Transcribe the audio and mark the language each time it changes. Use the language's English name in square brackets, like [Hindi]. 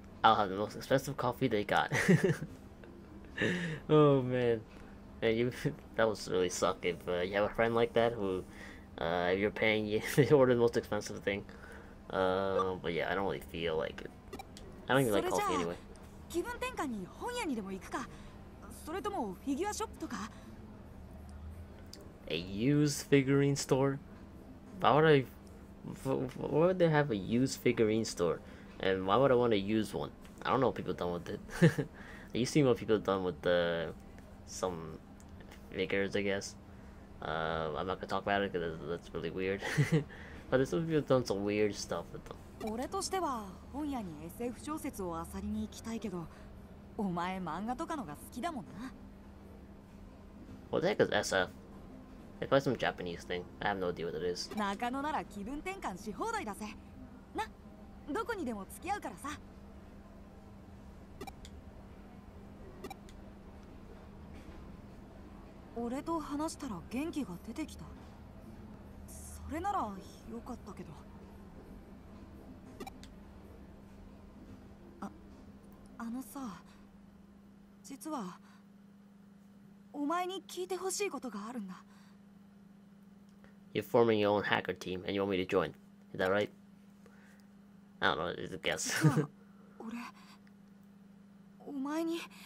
[English] I'll have the most expensive coffee they got. Oh man. Man, you, that was really suck if you have a friend like that who, if you're paying, they order the most expensive thing. But yeah, I don't really feel like it. I don't even like coffee anyway. [Japanese] 気分転換に本屋にでも行くか、それともフィギュアショップとか。 [English] A used figurine store? Why would I... Why would they have a used figurine store? And why would I want to use one? I don't know what people done with it. You see what people done with the... some... figures, I guess. I'm not gonna talk about it because that's really weird. But there's some people done some weird stuff with them. [Japanese] 俺としては本屋に SF 小説を漁りに行きたいけど、お前漫画とかのが好きだもんな。 [English] What the heck is SF? It's probably some Japanese thing. I have no idea what it is. [Japanese] 中野なら気分転換し放題だぜ。な、どこにでも付き合うからさ。俺と話したら元気が出てきた。それなら良かったけど。あのさ、実はお前に聞いてほしいことがあるんだ。 [English] You're forming your own hacker team and you want me to join. Is that right? I don't know, it's a guess. [Japanese] 俺、お前に。